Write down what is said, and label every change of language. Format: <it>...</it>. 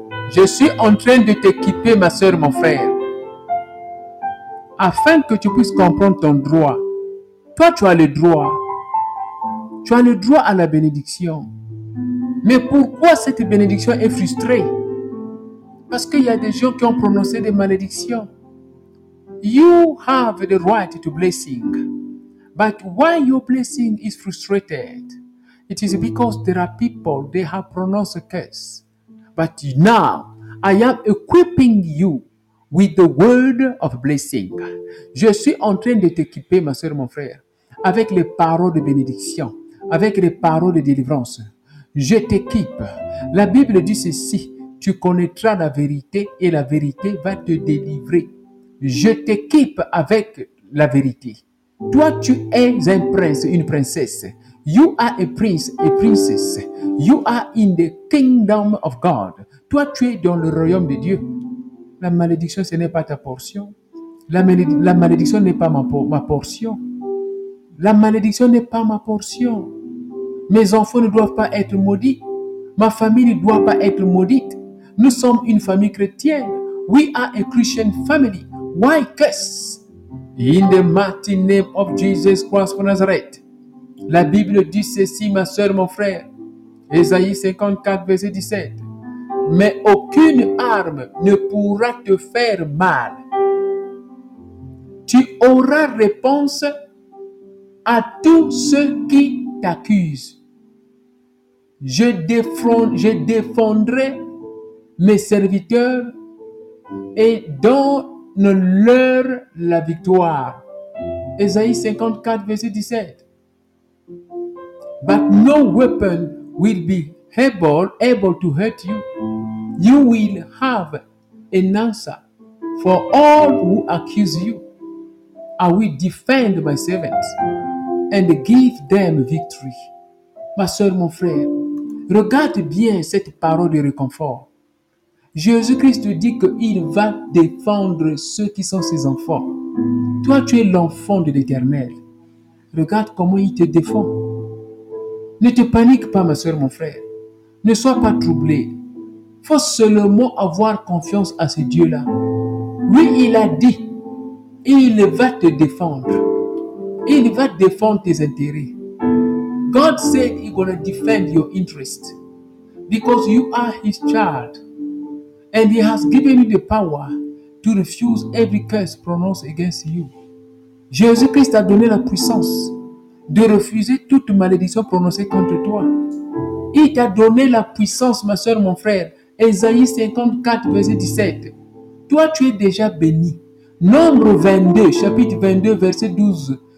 <fr>Je suis en train de t'équiper, ma soeur, mon frère, afin que tu puisses comprendre ton droit. Toi, tu as le droit. Tu as le droit à la bénédiction. Mais pourquoi cette bénédiction est frustrée? Parce qu'il y a des gens qui ont prononcé des malédictions.</fr> <en>You have the right to blessing, but why your blessing is frustrated? It is because there are people, they have pronounced a curse. But now, I am equipping you with the word of blessing.</en> <fr>Je suis en train de t'équiper, ma soeur, mon frère, avec les paroles de bénédiction, avec les paroles de délivrance. Je t'équipe. La Bible dit ceci, tu connaîtras la vérité et la vérité va te délivrer. Je t'équipe avec la vérité. Toi, tu es un prince, une princesse.</fr> <en>You are a prince, a princess. You are in the kingdom of God.</en> <fr>Toi, tu es dans le royaume de Dieu. La malédiction, ce n'est pas ta portion. La malédiction n'est pas ma portion. La malédiction n'est pas ma portion. Mes enfants ne doivent pas être maudits. Ma famille ne doit pas être maudite. Nous sommes une famille chrétienne.</fr> <en>We are a Christian family. Why curse? In the mighty name of Jesus Christ of Nazareth.</en> <fr>La Bible dit ceci, ma soeur, mon frère. Ésaïe 54, verset 17. Mais aucune arme ne pourra te faire mal. Tu auras réponse à tous ceux qui t'accusent. Je défendrai mes serviteurs et donne-leur la victoire. Ésaïe 54, verset 17.</fr> <en>But no weapon will be able to hurt you. You will have an answer for all who accuse you. I will defend my servants and give them victory.</en> <fr>Ma soeur, mon frère, regarde bien cette parole de réconfort. Jésus-Christ dit qu'il va défendre ceux qui sont ses enfants. Toi, tu es l'enfant de l'Éternel. Regarde comment il te défend. Ne te panique pas, ma soeur, mon frère. Ne sois pas troublé. Faut seulement avoir confiance à ce Dieu-là. Lui, il a dit, il va te défendre. Il va défendre tes intérêts.</fr> <en>God said he's gonna defend your interest because you are his child. And he has given you the power to refuse every curse pronounced against you.</en> <fr>Jésus-Christ a donné la puissance de refuser toute malédiction prononcée contre toi. Il t'a donné la puissance, ma soeur, mon frère. Ésaïe 54, verset 17. Toi, tu es déjà béni. Nombre 22, chapitre 22, verset 12.</fr>